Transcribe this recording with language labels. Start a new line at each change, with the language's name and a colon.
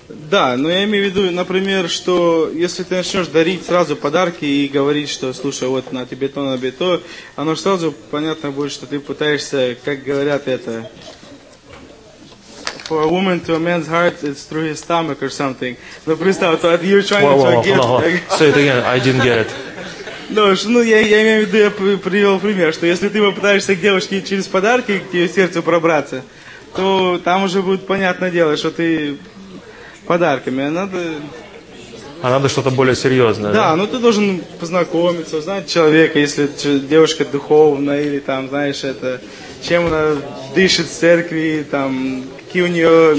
Russian: Да, но я имею в виду, например, что если ты начнешь дарить сразу подарки и говорить, что слушай, вот на тебе то, на тебе то, оно же сразу понятно будет, что ты пытаешься, как говорят это,
English: for a woman to a man's heart, it's through his stomach or something.
Russian: Ну, представь,
English: so you're trying whoa, to whoa, get... Say it again, I didn't get it.
Russian: Ну, я имею в виду, я привел пример, что если ты попытаешься к девушке через подарки к ее сердцу пробраться, то там уже будет понятное дело, что ты подарками, А надо что-то более серьезное. Да, ну ты должен познакомиться, узнать человека, если девушка духовная, или там, знаешь, это, чем она дышит в церкви, там, какие у нее...